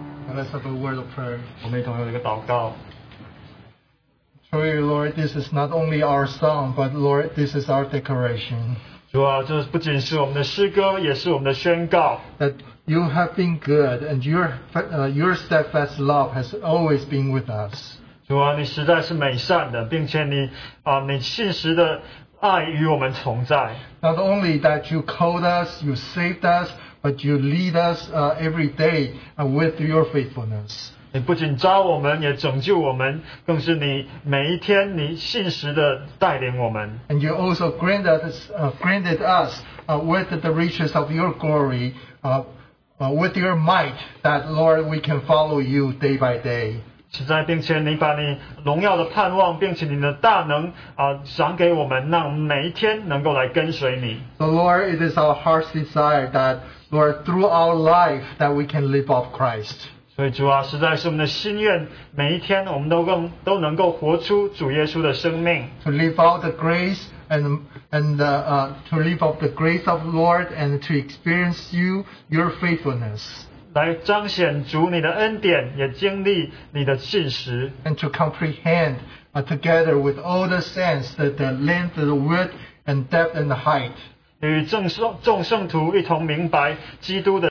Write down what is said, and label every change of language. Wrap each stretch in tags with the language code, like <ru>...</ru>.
<en>Let's have a word of prayer.</en> <zh>我们一同有一个祷告。</zh> <en>Truly, Lord, this is not only our song, but Lord, this is our declaration.</en> <zh>主啊，这不仅是我们的诗歌，也是我们的宣告。</zh> <en>That you have been good, and your steadfast love has always been with us.</en> <zh>主啊，你实在是美善的，并且你信实的爱与我们同在。</zh> <en>Not only that you called us, you saved us. But you lead us every day with your faithfulness.</en> <zh>你不仅召我们，也拯救我们，更是你每一天你信实的带领我们。</zh> <en>And you also granted us with the riches of your glory, with your might, that Lord we can follow you day by day.</en> <zh>实在，并且你把你荣耀的盼望，并且你的大能赏给我们，让我们每一天能够来跟随你。</zh> <en>So Lord, it is our heart's desire that. Lord, through our life that we can live off Christ.</en> <zh>所以主啊，实在是我们的心愿，每一天我们都能够活出主耶稣的生命。</zh> <en>To live out the grace to live off the grace of Lord and to experience your faithfulness.</en> <zh>来彰显主你的恩典，也经历你的信实。</zh> <en>And to comprehend together with all the saints the length, the width, and depth, and the height.</en> <zh>与众圣徒一同明白基督的。</zh>